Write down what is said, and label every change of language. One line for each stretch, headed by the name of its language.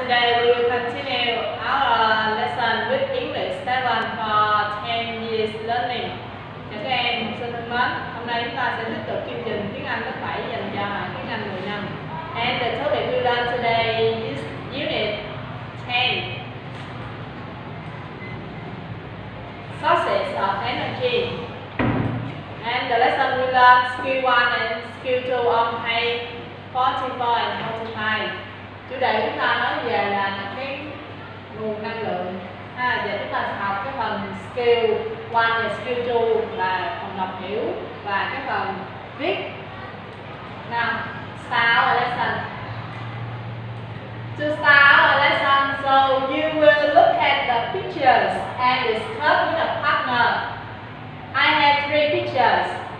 English: Today we will continue our lesson with English 7 for 10 years learning.
Vietnamese: Cho các em học sinh thân mến, hôm nay chúng ta sẽ tiếp tục chương trình tiếng Anh lớp 7 dành cho tiếng Anh 10 năm.
English: And the topic we learn today is unit 10. Sources of energy. And the lesson we learn skill 1 and skill 2 on page 44 and 45.
Vietnamese: Chủ đề chúng ta nói về là cái nguồn năng lượng ha, và chúng ta học cái phần skill 1 và skill 2 là phần đọc hiểu và cái phần viết.
English: Now, start our lesson. To start our lesson, so you will look at the pictures and discuss with a partner. I have three pictures.